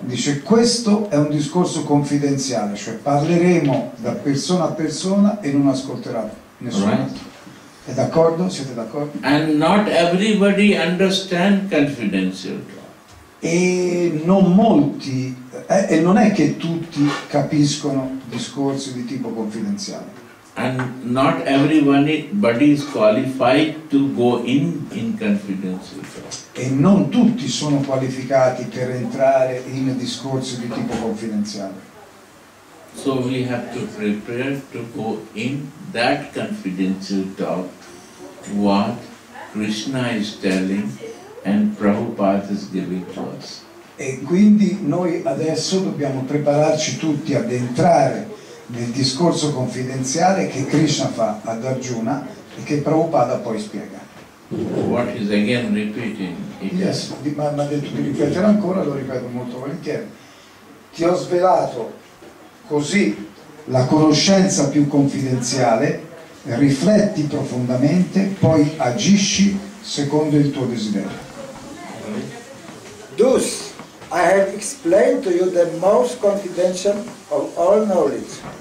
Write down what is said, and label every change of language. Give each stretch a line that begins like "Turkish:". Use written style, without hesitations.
Italian: Dice, questo è un discorso confidenziale, cioè parleremo da persona a persona e non ascolterà nessuno.
English: Right.
Italian: È d'accordo? Siete d'accordo?
English: And not everybody understand confidential talk.
Italian: E non molti, e non è che tutti capiscono discorsi di tipo confidenziale.
English: And not everybody is qualified to go in confidential talk.
Italian: E non tutti sono qualificati per entrare in discorsi di tipo confidenziale.
English: So we have to prepare to go in that confidential talk what Krishna is telling and Prabhupada is giving to us.
Italian: E quindi noi adesso dobbiamo prepararci tutti ad entrare nel discorso confidenziale che Krishna fa ad Arjuna e che Prabhupada poi spiega.
English: What is again repeating? Yes,
Italian: ma ha detto di ripetere ancora, lo ripeto molto volentieri. Ti ho svelato così la conoscenza più confidenziale, rifletti profondamente, poi agisci secondo il tuo desiderio.
English: Thus, I have explained to you the most confidential of all knowledge.